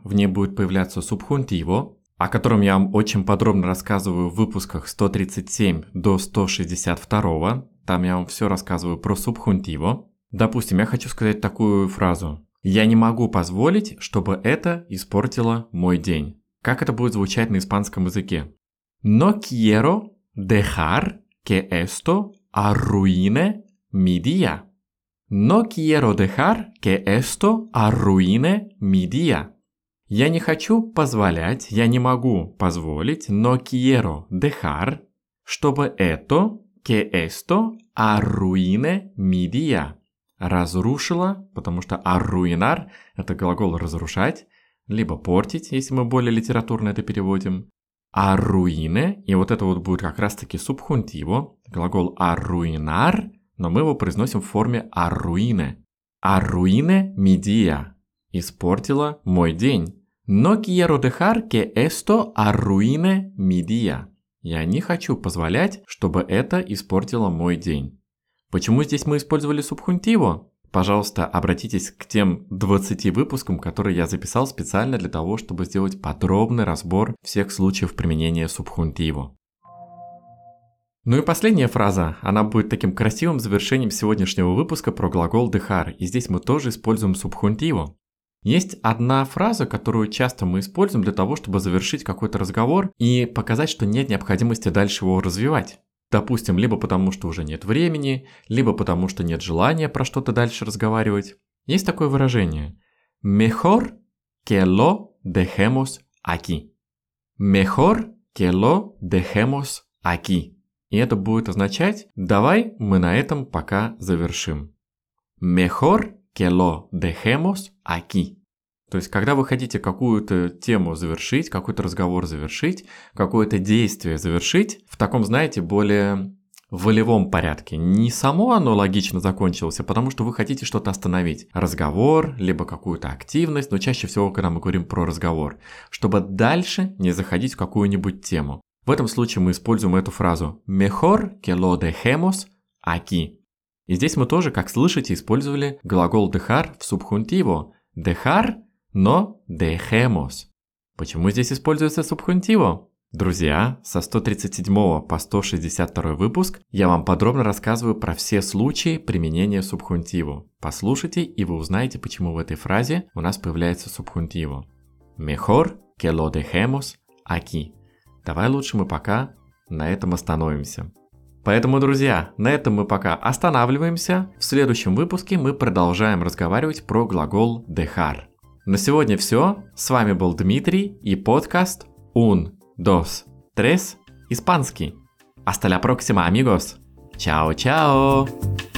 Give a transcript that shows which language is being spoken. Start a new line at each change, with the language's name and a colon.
Russian: В ней будет появляться субхунтиво, о котором я вам очень подробно рассказываю в выпусках 137 до 162. Там я вам все рассказываю про субхунтиво. Допустим, я хочу сказать такую фразу. «Я не могу позволить, чтобы это испортило мой день». Как это будет звучать на испанском языке?
Spanish: «No quiero dejar que esto arruine mi día». «No quiero dejar que esto arruine mi día».
Russian: «Я не хочу позволять, я не могу позволить,
Spanish: no quiero dejar,
Russian: чтобы это...»
Spanish: «Que esto arruine mi día»
Russian: – «разрушило», потому что «arruinar» – это глагол «разрушать», либо «портить», если мы более литературно это переводим. «Arruine» – и вот это вот будет как раз-таки субхунтиво, глагол «arruinar», но мы его произносим в форме «arruine».
Spanish: «Arruine mi día»
Russian: – «испортило мой день».
Spanish: «No quiero dejar que esto arruine mi día».
Russian: Я не хочу позволять, чтобы это испортило мой день. Почему здесь мы использовали субхунтиво? Пожалуйста, обратитесь к тем 20 выпускам, которые я записал специально для того, чтобы сделать подробный разбор всех случаев применения субхунтиво. Ну и последняя фраза, она будет таким красивым завершением сегодняшнего выпуска про глагол «dejar», и здесь мы тоже используем субхунтиво. Есть одна фраза, которую часто мы используем для того, чтобы завершить какой-то разговор и показать, что нет необходимости дальше его развивать. Допустим, либо потому, что уже нет времени, либо потому, что нет желания про что-то дальше разговаривать. Есть такое выражение.
Spanish: Mejor que lo dejemos aquí. Mejor que lo dejemos aquí.
Russian: И это будет означать, давай мы на этом пока завершим.
Spanish: Mejor que lo dejemos aquí.
Russian: То есть, когда вы хотите какую-то тему завершить, какой-то разговор завершить, какое-то действие завершить, в таком, знаете, более волевом порядке. Не само оно логично закончилось, а потому что вы хотите что-то остановить. Разговор, либо какую-то активность, но чаще всего, когда мы говорим про разговор, чтобы дальше не заходить в какую-нибудь тему. В этом случае мы используем эту фразу
Spanish: «Mejor que lo dejemos aquí».
Russian: И здесь мы тоже, как слышите, использовали глагол «dejar» в субхунтиво. «Dejar», но «dejemos». Почему здесь используется субхунтиво? Друзья, со 137 по 162 выпуск я вам подробно рассказываю про все случаи применения субхунтиво. Послушайте, и вы узнаете, почему в этой фразе у нас появляется субхунтиво.
Spanish: «Mejor que lo dejemos aquí».
Russian: Давай лучше мы пока на этом остановимся. Поэтому, друзья, на этом мы пока останавливаемся. В следующем выпуске мы продолжаем разговаривать про глагол dejar. На сегодня все. С вами был Дмитрий и подкаст Un, dos, tres, испанский.
Spanish: Hasta la próxima, amigos.
Russian: Чао-чао!